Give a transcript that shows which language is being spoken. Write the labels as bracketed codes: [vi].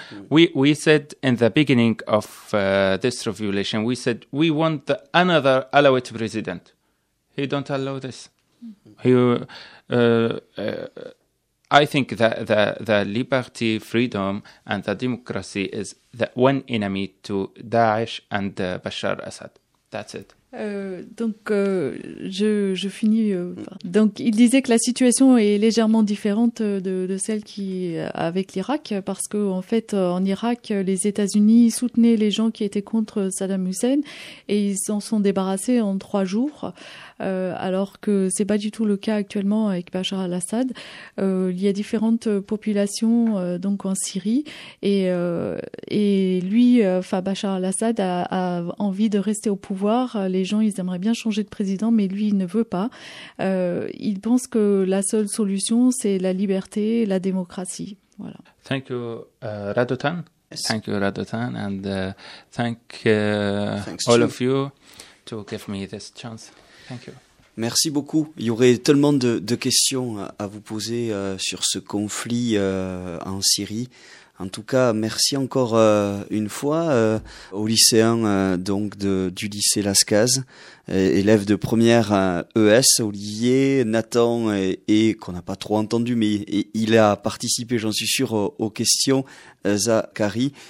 [en] we said in the beginning of this revolution, we said we want another Alawite president. He don't allow this. I think that the liberty, freedom, and the democracy is the one enemy to Daesh and Bashar Assad. That's it. [fr] Je finis. Donc, il disait que la situation est légèrement différente de celle qui avec l'Irak, parce que en fait, en Irak, les États-Unis soutenaient les gens qui étaient contre Saddam Hussein et ils s'en sont débarrassés en 3 jours. Alors que c'est pas du tout le cas actuellement avec Bachar al-Assad. Il y a différentes populations donc en Syrie et lui, enfin Bachar al-Assad a envie de rester au pouvoir. Les gens, ils aimeraient bien changer de président, mais lui, il ne veut pas. Il pense que la seule solution, c'est la liberté, la démocratie. Voilà. [en] Thank you, Radotan. Yes. Thank you, Radotan, and thanks all of you to give me this chance. Thank you. [fr] Merci beaucoup. Il y aurait tellement de questions à vous poser sur ce conflit en Syrie. En tout cas, merci encore une fois aux lycéens donc du lycée Lascaz, élèves de première ES, Olivier, Nathan et qu'on n'a pas trop entendu, mais il a participé, j'en suis sûr, aux questions, Zachary.